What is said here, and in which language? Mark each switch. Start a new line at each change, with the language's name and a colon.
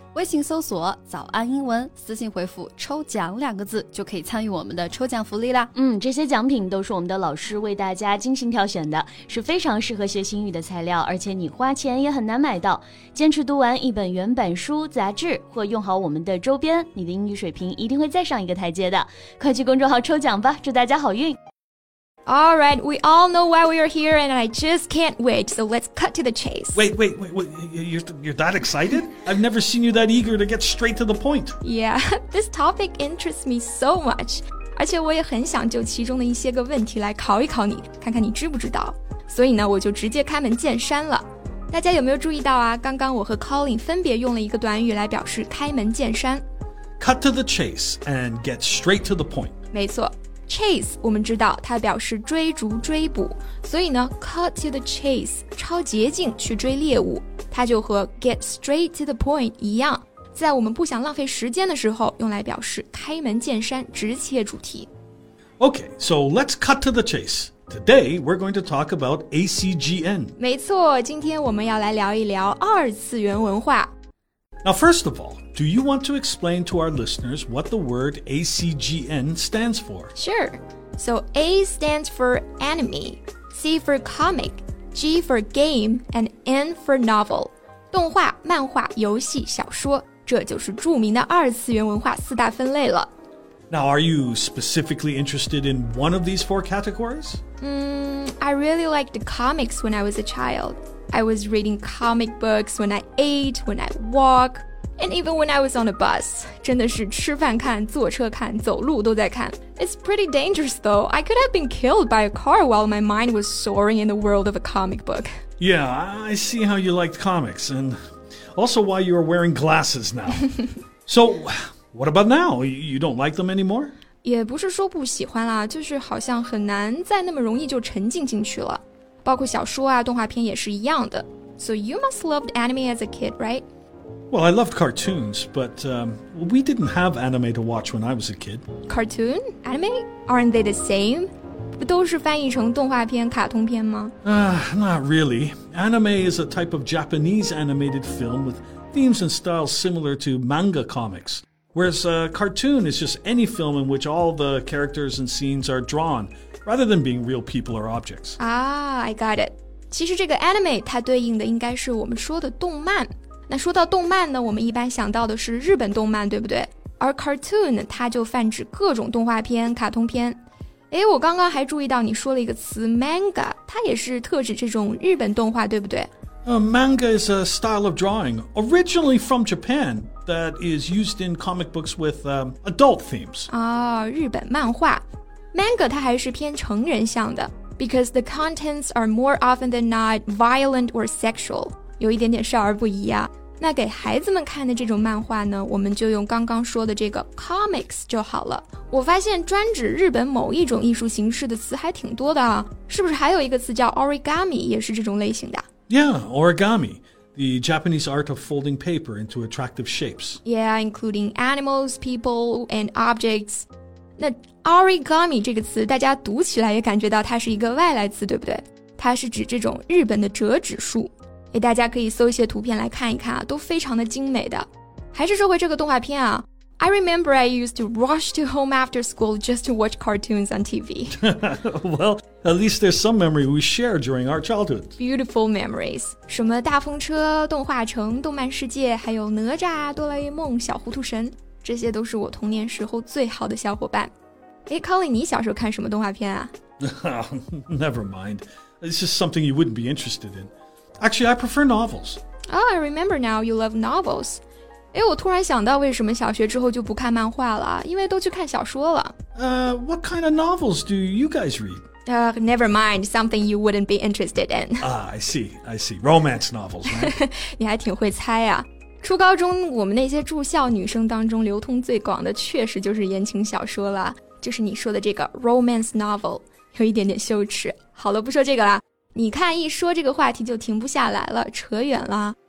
Chinese: 微信搜索早安英文，私信回复抽奖两个字，就可以参与我们的抽奖福利啦。嗯，这些奖品都是我们的老师为大家精心挑选的，是非常适合学习英语的材料，而且你花钱也很难买到。坚持读完一本原版书、杂志或用好我们的周边，你的英语水平一定会再上一个台阶的。快去公众号抽奖吧，祝大家好运。
English: All right, we all know why we are here, and I just can't wait, so let's cut to the chase. Wait, you're that excited? I've never seen you that eager to get straight to the point. Yeah, this topic interests me so much.
Chinese: 而且我也很想就其中的一些个问题来考一考你，看看你知不知道。所以呢，我就直接开门见山了。大家有没有注意到啊，刚刚我和 Colin 分别用了一个短语来表示开门见山。
English: Cut to the chase and get straight to the point.
Chinese: 没错。 Chase, 我们知道它表示追逐追捕，所以呢
English: cut to the chase,
Chinese: 抄捷径去追猎物，它就和
English: get straight to the point
Chinese: 一样，在我们不想浪费时间的时候用来表示开门见山，直切主题。
English: Okay, so let's cut to the chase. Today, we're going to talk about ACGN.
Chinese: 没错，今天我们要来聊一聊二次元文化。
English: Now, first of all, do you want to explain to our listeners what the word ACGN stands for? Sure. So A stands for anime, C for comic, G for game, and N for novel.
Chinese: 动画、漫画、游戏、小说，这就是著名的二次元文化四大分类了。
English: Now, are you specifically interested in one of these four categories? I really liked the comics when I was a child. I was reading comic books when I ate, when I walk, and even when I was on a bus.
Chinese: 真的是吃饭看、坐车看、走路都在看。
English: It's pretty dangerous though. I could have been killed by a car while my mind was soaring in the world of a comic book. Yeah, I see how you liked comics, and also why you are wearing glasses now. So, what about now? You don't like them anymore?
Chinese: 也不是说不喜欢啦，就是好像很难再那么容易就沉浸进去了。包括小说啊，动画片也是一样的。
English: So you must loved anime as a kid, right? Well, I loved cartoons, but we didn't have anime to watch when I was a kid. Cartoon? Anime? Aren't they the same?
Chinese: 不都是翻译成动画片、卡通片吗？
English: Not really. Anime is a type of Japanese animated film with themes and styles similar to manga comics. Whereas a cartoon is just any film in which all the characters and scenes are drawn. Rather than being real people or objects. I got it.
Chinese: 其实这个 anime 它对应的应该是我们说的动漫。那说到动漫呢，我们一般想到的是日本动漫，对不对？而 cartoon 它就泛指各种动画片、卡通片。哎，我刚刚还注意到你说了一个词 manga， 它也是特指这种日本动画，对不对？
English: Manga is a style of drawing originally from Japan that is used in comic books with adult themes.
Chinese: 日本漫画。 Manga 它还是偏成人向的 ，
English: because the contents are more often than not violent or sexual，
Chinese: 有一点点少儿不宜啊。那给孩子们看的这种漫画呢，我们就用刚刚说的这个 comics 就好了。我发现专指日本某一种艺术形式的词还挺多的啊，是不是还有一个词叫 origami 也是这种类型的
English: ？Yeah, origami, the Japanese art of folding paper into attractive shapes. Yeah, including animals, people, and objects.
Chinese: 那 origami 这个词大家读起来也感觉到它是一个外来词，对不对？它是指这种日本的折纸术，大家可以搜一些图片来看一看，都非常的精美的。还是说回这个动画片啊，
English: I remember I used to rush to home after school just to watch cartoons on TV. Well, at least there's some memory we share during our childhood. Beautiful memories.
Chinese: 什么大风车、动画城、动漫世界，还有哪吒、哆啦 A 梦、小糊涂神，这些都是我童年时候最好的小伙伴。哎 ，Colin， 你小时候看什么动画片啊
English: ？Never mind. It's just something you wouldn't be interested in. Actually, I prefer novels. Oh, I remember now you love novels.
Chinese: 哎，我突然想到为什么小学之后就不看漫画了，因为都去看小说了。
English: What kind of novels do you guys read? Never mind. Something you wouldn't be interested in. I see. Romance novels, right?
Chinese: 你还挺会猜啊。初高中我们那些住校女生当中流通最广的确实就是言情小说了，就是你说的这个 romance novel， 有一点点羞耻。好了，不说这个了，你看一说这个话题就停不下来了，扯远了。